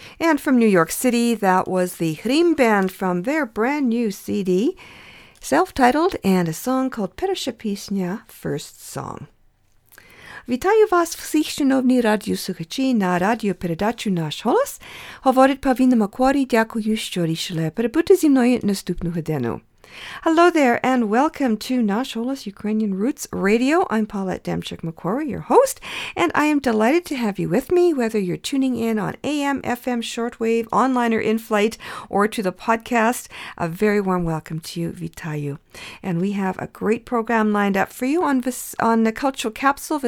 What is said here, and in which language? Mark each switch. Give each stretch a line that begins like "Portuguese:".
English: And from New York City, that was the Hrim Band from their brand new CD, self-titled, and a song called Persha Pisnya, First Song.
Ukrainian: Вітаю вас всіх, шановні радіослухачі, на радіопередачу «Наш голос». Говорить Павіна Макуарі, дякую, що рішили перебути зі мною наступну годину.
English: Hello there, and welcome to «Наш голос» Ukrainian Roots Radio. I'm Paulette Demchuk-McQuarrie, your host, and I am delighted to have you with me, whether you're tuning in on AM, FM, shortwave, online or in-flight, or to the podcast. A very warm welcome to you, Vitayu. And we have a great program lined up for you on the Cultural Capsule.